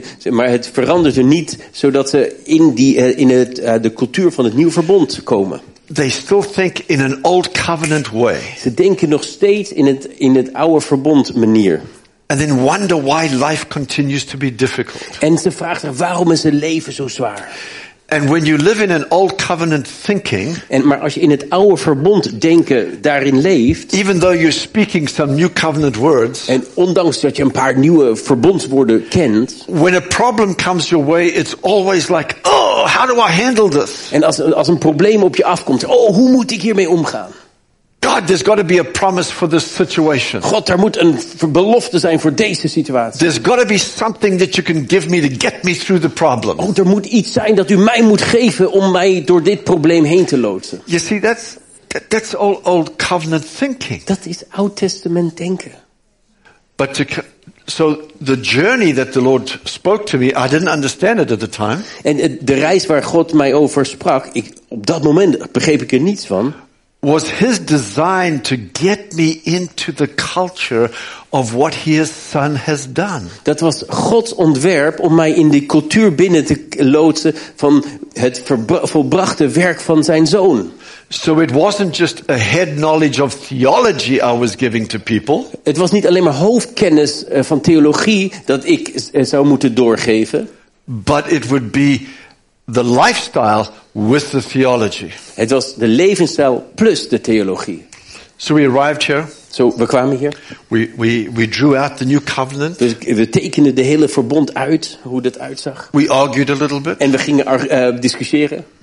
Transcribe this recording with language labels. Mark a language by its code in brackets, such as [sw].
[nl] Maar het verandert er niet zodat ze in de cultuur van het Nieuw Verbond komen. [en] They still think in an old covenant way. [nl] Ze denken nog steeds in het oude verbond manier. [en] And then wonder why life continues to be difficult. [nl] En ze vragen zich waarom is het leven zo zwaar. [en] And when you live in an old covenant thinking, [nl] en maar als je in het oude verbond denken daarin leeft, [en] even though you're speaking some new covenant words, [nl] en ondanks dat je een paar nieuwe verbondswoorden kent, [en] when a problem comes your way, it's always like, oh, how do I handle this? [nl] En als een probleem op je afkomt, oh, hoe moet ik hiermee omgaan? [en] God, there's got to be a promise for this situation. [nl] God, er moet een belofte zijn voor deze situatie. [en] There's got to be something that you can give me to get me through the problem. [nl] Oh, er moet iets zijn dat u mij moet geven om mij door dit probleem heen te loodsen. [en] You see, that's all old covenant thinking. [nl] Dat is oud testament denken. [en] But so the journey that the Lord spoke to me, I didn't understand it at the time. [nl] En de reis waar God mij over sprak, ik op dat moment begreep ik er niets van. [en] Was his design to get me into the culture of what his son has done. [nl] Dat was Gods ontwerp om mij in de cultuur binnen te loodsen van het volbrachte werk van zijn zoon. [en] So it wasn't just a head knowledge of theology I was giving to people. [nl] Het was niet alleen maar hoofdkennis van theologie dat ik zou moeten doorgeven. [en] But it would be the lifestyle with the theology. [nl] Het was de levensstijl plus de theologie. [en] So we arrived here. [nl] So we kwamen hier. [en] We drew out the new covenant. [nl] We tekenden de hele verbond uit, hoe dat uitzag. [en] We argued a little bit. [nl] En we gingen discussiëren.